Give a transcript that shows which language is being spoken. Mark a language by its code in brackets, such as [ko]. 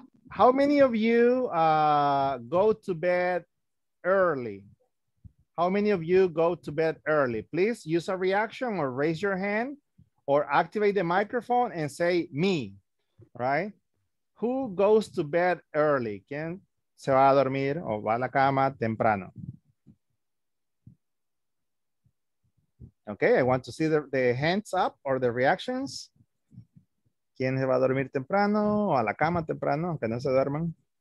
[en] how many of you go to bed early? How many of you go to bed early? Please use a reaction or raise your hand or activate the microphone and say me, right? Who goes to bed early? [es] ¿Quién se va a dormir o va a la cama temprano? [en] Okay, I want to see the hands up or the reactions. [es] ¿Quién se va a dormir temprano o a la cama temprano, aunque no se duerman?